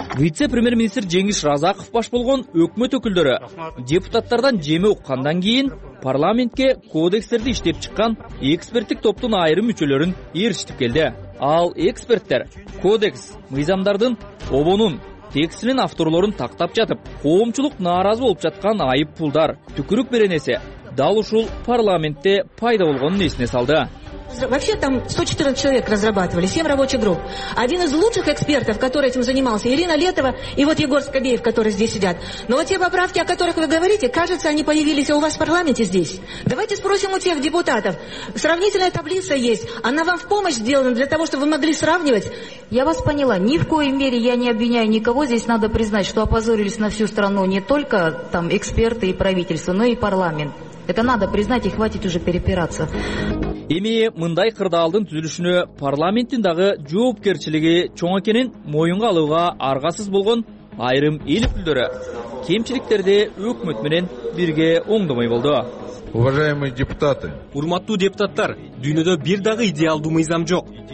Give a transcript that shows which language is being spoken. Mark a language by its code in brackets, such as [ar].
[ky] Вице премьер министр Жеңиш Разаков баш болгон өкмөт өкүлдөрү депутаттардан жеме уккандан кийин парламентке кодекстерди иштеп чыккан эксперттик топтун айрым мүчөлөрүн ээрчитип келди. Ал эксперттер кодекс мыйзамдардын обонун, текстинин авторлорун тактап жатып, коомчулук нааразы болуп жаткан айып пулдар, түкүрүк беренеси дал ушул парламентте пайда болгонун эсине салды. [ru] Вообще там 114 человек разрабатывали, 7 рабочих групп. Один из лучших экспертов, который этим занимался, Ирина Летова и вот Егор Скобеев, которые здесь сидят. Но вот те поправки, о которых вы говорите, кажется, они появились у вас в парламенте здесь. Давайте спросим у тех депутатов. Сравнительная таблица есть. Она вам в помощь сделана для того, чтобы вы могли сравнивать? Я вас поняла. Ни в коей мере я не обвиняю никого. Здесь надо признать, что опозорились на всю страну не только там эксперты и правительство, но и парламент. Это надо признать и хватит уже перепираться. [ky] Эми мындай кырдаалдын түзүлүшүнө парламенттин дагы жоопкерчилиги чоң экенин моюнга алууга аргасыз болгон айрым эл өкүлдөрү кемчиликтерди өкмөт менен бирге оңдомой болду. [ru] Уважаемые депутаты, [ky] урматтуу депутаттар, дүйнөдө бир дагы идеалдуу мыйзам жок.